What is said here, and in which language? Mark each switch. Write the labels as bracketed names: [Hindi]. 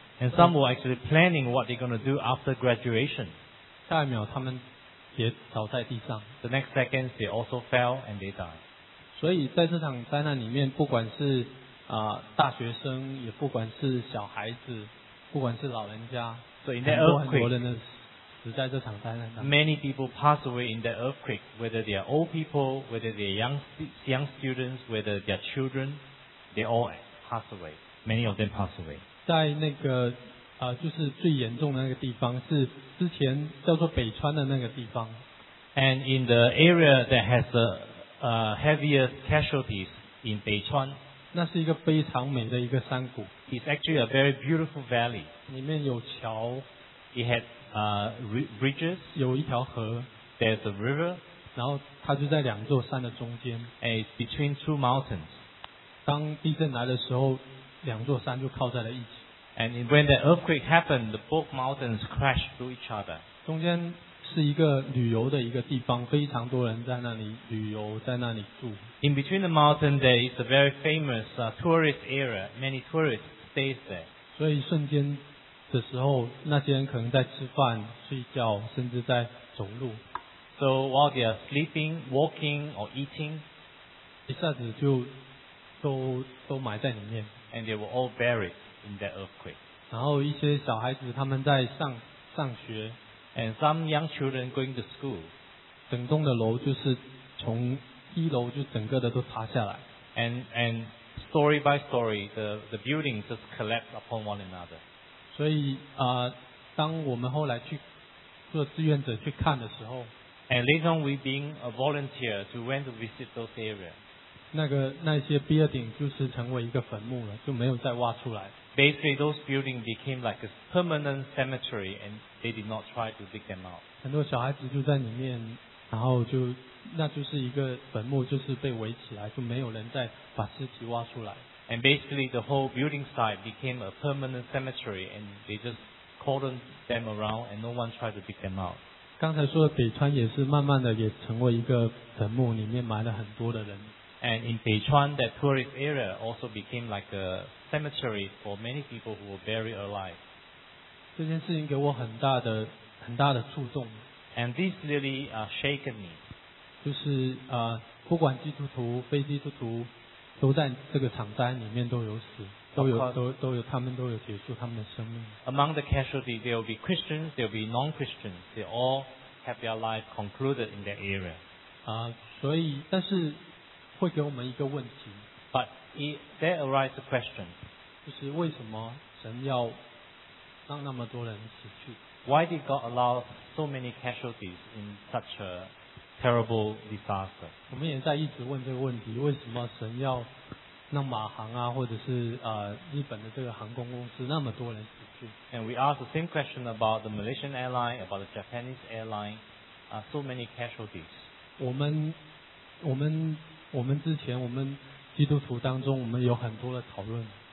[English] And some were actually planning what they're going to do after graduation. [Chinese] 下一秒他们也倒在地上。 [English] The next second they also fell and they died. [Chinese] 所以在这场灾难里面，不管是大学生，也不管是小孩子，不管是老人家，很多人死在这场灾难当中。 [English] Many people pass away in that earthquake, whether they are old people, whether they are young students, whether they are children, they all pass away. Many of them pass away. [Chinese] 在那个就是最严重的那个地方，是之前叫做北川的那个地方。 [English] And in the area that has the heaviest casualties in Beichuan, [Chinese] 那是一个非常美的一个山谷。 [English] It's actually a very beautiful valley. [Chinese] 里面有桥。 [English] It had bridges. [Chinese] 有一条河。 [English] There's a river. [Chinese] 然后它就在两座山的中间。 [English] And it's between two mountains. [Chinese] 当地震来的时候，两座山就靠在了一起。 [English] And when the earthquake happened, the both mountains crashed through each other. [Chinese] 中间是一个旅游的一个地方，非常多人在那里旅游，在那里住。 [English] In between the mountain, there is a very famous tourist area. Many tourists stay there. [Chinese] 所以瞬间的时候，那些人可能在吃饭、睡觉，甚至在走路。 [English] So while they are sleeping, walking, or eating, [Chinese] 一下子就都埋在里面。 [English] And they were all buried. In that earthquake. [Chinese] 然后一些小孩子他们在上学 [English] ，and some young children going to school. [Chinese] 整栋的楼就是从一楼就整个的都塌下来 [English] ，and story by story, the building just collapsed upon one another. [Chinese] 所以当我们后来去做志愿者去看的时候 [English] ，and later on we being a volunteer to went to visit those areas. [Chinese] 那些 building 就是成为一个坟墓了，就没有再挖出来。 [English] Basically, those buildings became like a permanent cemetery, and they did not try to dig them out. [Chinese] 很多小孩子就在里面，然后就那就是一个坟墓，就是被围起来，就没有人再把尸体挖出来。 [English] And basically, the whole building site became a permanent cemetery, and they just cordoned them around, and no one tried to dig them out. [Chinese] 刚才说的北川也是慢慢的也成为一个坟墓，里面埋了很多的人。 [English] And in Beichuan, that tourist area also became like a cemetery for many people who were buried alive. [Chinese] 这件事情给我很大的触动。 [English] And this really shaken me. [Chinese] 就是不管基督徒、非基督徒，都在这个场灾里面都有死，都有他们都有结束他们的生命。 [English] Among the casualties, there will be Christians, there will be non-Christians. They all have their life concluded in that area. [Chinese] 所以但是。会给我们一个问题 [English] ，But there arises a question， [Chinese] 就是为什么神要让那么多人死去 [English] why did God allow so many casualties in such a terrible disaster? [Chinese] 我们也在一直问这个问题，为什么神要让马航啊，或者是日本的这个航空公司那么多人死去？ [English] And we ask the same question about the Malaysian airline, about the Japanese airline, so many casualties. [Chinese] 我们之前我们基督徒当中我们有很多的讨论。